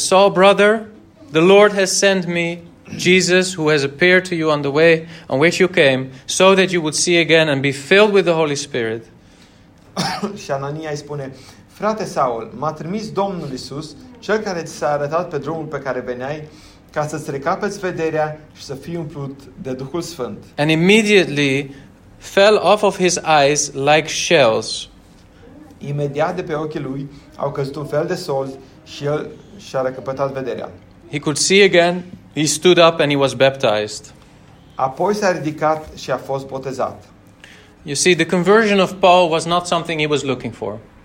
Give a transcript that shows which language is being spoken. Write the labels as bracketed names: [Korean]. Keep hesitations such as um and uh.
[English] Saul, brother, the Lord has sent me Jesus, who has appeared to you on the way on which you came, so that you would see again and be filled with the Holy Spirit. [Romanian] și Anania îi spune, frate Saul, m-a trimis Domnul Isus, cel care ți s-a arătat pe drumul pe care veneai, ca să-ți recapeți vederea și să fii umplut de Duhul Sfânt. [English] And immediately fell off of his eyes like shells. [Romanian] Imediat de pe ochii lui au căzut un fel de sol și el și-a recapătat vederea. [English] He could see again He stood up and he was baptized. [Romanian] Apoi s-a ridicat și a fost botezat. [English] You see, the conversion of Paul was not something he was looking for.